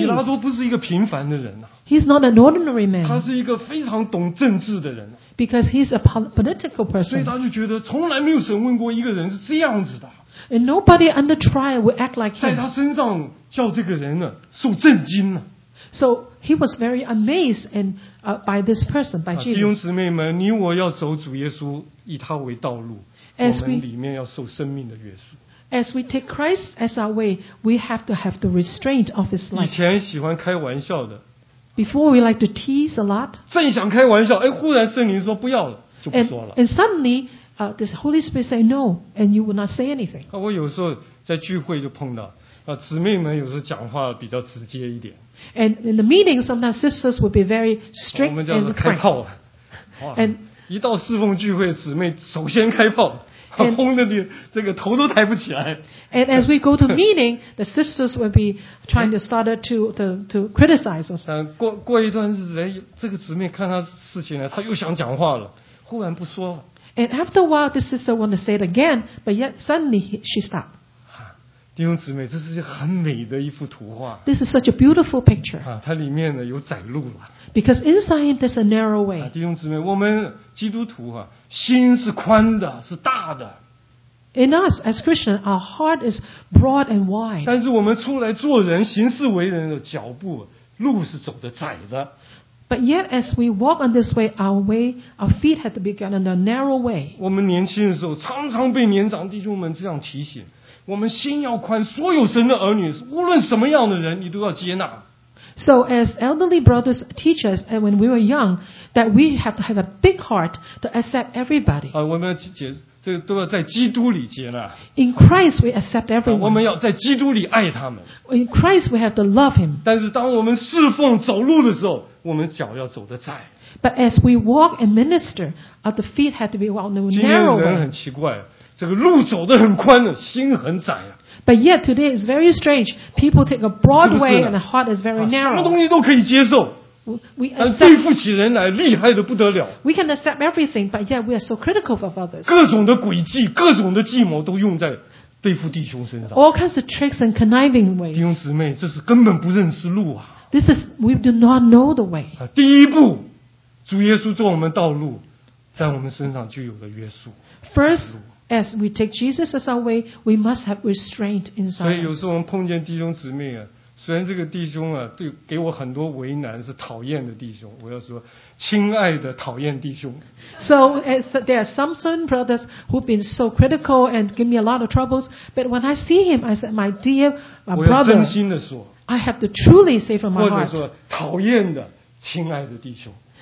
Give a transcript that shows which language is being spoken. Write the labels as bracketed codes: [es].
[zh] 比拉多不是一个平凡的人啊。 [en] He's not an ordinary man. [zh] 他是一个非常懂政治的人。 [en] Because he's a political person. [zh] 所以他就觉得从来没有审问过一个人是这样子的。 [en] And nobody under trial would act like him. [zh] 在他身上叫这个人呢受震惊了。 [en] So he was very amazed and, by this person, by Jesus. [zh] 弟兄姊妹们，你我要走主耶稣以他为道路，我们里面要受生命的约束。 [en] As we take Christ as our way, we have to have the restraint of his life. [zh] 以前喜欢开玩笑的。 [en] Before we like to tease a lot. [zh] 正想开玩笑，哎，忽然圣灵说不要了，就不说了。 [en] And suddenly, the Holy Spirit say no, and you will not say anything. [zh] 我有时候在聚会就碰到。姊妹们有时候讲话比较直接一点。 [en] And in the meeting, sometimes sisters would be very strict and frank. [zh] 我们叫做开炮。 [en] And [zh] 一到侍奉聚会，姊妹首先开炮，轰的你这个头都抬不起来。 [en] And as we go to meeting, the sisters would be trying to start to criticize us. [zh] 过一段日子，哎，这个姊妹看她事情呢，她又想讲话了，忽然不说了。 [en] And after a while, the sister want to say it again, but yet suddenly she stopped. [zh] 弟兄姊妹，这是很美的一幅图画。 [en] This is such a beautiful picture. [zh] 啊，它里面呢有窄路了。 [en] Because inside there's a narrow way. [zh] 弟兄姊妹，我们基督徒啊，心是宽的，是大的。 [en] In us as Christians, our heart is broad and wide. [zh] 但是我们出来做人、行事为人的脚步路是走的窄的。 [en] But yet, as we walk on this way, our feet had to be gone on a narrow way. [zh] 我们年轻的时候，常常被年长弟兄们这样提醒。我们心要宽，所有神的儿女，无论什么样的人，你都要接纳。 [en] So as elderly brothers teach us, and when we were young, that we have to have a big heart to accept everybody. [zh] 我们都要在基督里接纳。 [en] In Christ, we accept everyone. [zh] 我们要在基督里爱他们。 [en] In Christ, we have to love him. [zh] 但是当我们侍奉走路的时候，我们脚要走得窄。 [en] But as we walk and minister, the feet have to be on the narrow way. [zh] 今天人很奇怪。这个路走得很宽的，心很窄啊。 [en] But yet today is very strange. People take a broad way and the heart is very narrow. [zh] 什么东西都可以接受。 [en] We accept. [zh] 对付起人来厉害的不得了。 [en] We can accept everything, but yet we are so critical of others. [zh] 各种的诡计，各种的计谋都用在对付弟兄身上。 [en] All kinds of tricks and conniving ways. [zh] 弟兄姊妹，这是根本不认识路啊。 [en] This is we do not know the way. [zh] 第一步，主耶稣做我们道路，在我们身上就有了约束。 [en] First. As we take Jesus as our way, we must have restraint inside. [zh] 所以有时候我们碰见弟兄姊妹啊，虽然这个弟兄啊，对给我很多为难，是讨厌的弟兄，我要说，亲爱的讨厌弟兄。 [en] So as there are some certain brothers who've been so critical and give me a lot of troubles, but when I see him, I said, my dear brother. [zh] 我要真心的说。 [en] I have to truly say from my heart. [zh] 或者说讨厌的亲爱的弟兄。